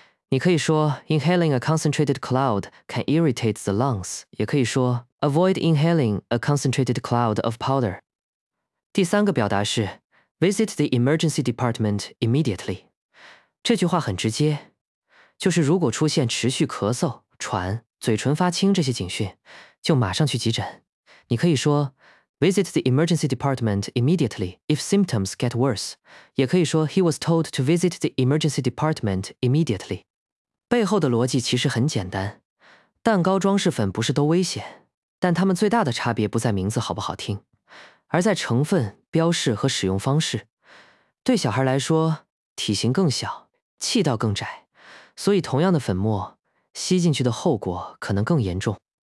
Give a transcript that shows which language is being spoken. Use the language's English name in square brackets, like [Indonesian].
[Chinese] 你可以说 [English] Inhaling a concentrated cloud can irritate the lungs, [Chinese] 也可以说 [English] Avoid inhaling a concentrated cloud of powder. [Chinese] 第三个表达是 [English] Visit the emergency department immediately. [Chinese] 这句话很直接，就是如果出现持续咳嗽、喘、嘴唇发青这些警讯，就马上去急诊。你可以说 [English] Visit the emergency department immediately if symptoms get worse. [Chinese] 也可以说 [English] He was told to visit the emergency department immediately. [Chinese] 背后的逻辑其实很简单，蛋糕装饰粉不是都危险，但它们最大的差别不在名字好不好听，而在成分、标示和使用方式。对小孩来说，体型更小，气道更窄，所以同样的粉末，吸进去的后果可能更严重。